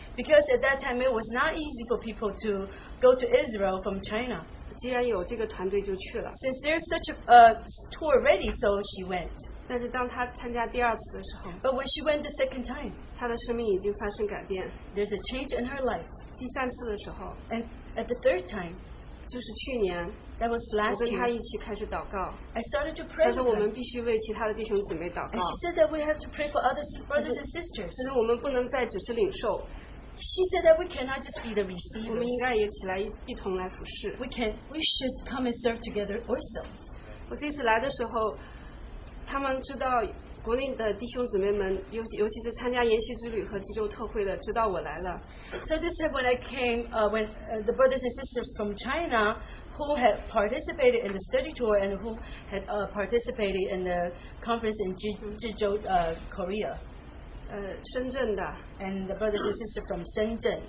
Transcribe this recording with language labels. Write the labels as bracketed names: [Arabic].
[English] Because at that time it was not easy for people to go to Israel from China. [Chinese] 既然有这个团队就去了。 [English] Since there's such a tour ready, so she went. [Chinese] 但是当她参加第二次的时候, [English] but when she went the second time, [Chinese] 她的生命已经发生改变。 [English] There's a change in her life. [Chinese] 第三次的时候, [English] and at the third time, [Chinese] 就是去年, [English] that was last year. [Chinese] 我跟他一起开始祷告, [English] I started to pray for her. And she said that we have to pray for other brothers and sisters. [Chinese] 就是我们不能再只是领受, [English] she said that we cannot just be the receivers. [Chinese] 我们应该也起来, [English] we should come and serve together also. [Chinese] 我这次来的时候, 他们知道, 国内的弟兄姊妹们, 尤其是参加研习之旅和济州特会的, 知道我来了。 [English] So this is when I came, when the brothers and sisters from China who had participated in the study tour and who had participated in the conference in Jizhou, Korea. [Chinese] 深圳的, [English] and the brothers and sisters from Shenzhen,